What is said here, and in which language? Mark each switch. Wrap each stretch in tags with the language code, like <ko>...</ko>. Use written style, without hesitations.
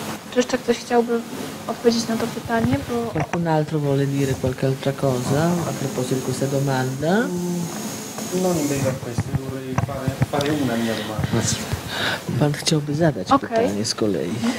<pl>Czy jeszcze ktoś chciałby odpowiedzieć na to pytanie? Bo...</pl> <it>Qualcun altro vuole dire qualche altra cosa a proposito di questa domanda? Non in merito a questo, vorrei fare una mia domanda.</it> <pl>Pan chciałby zadać pytanie z kolei.</pl>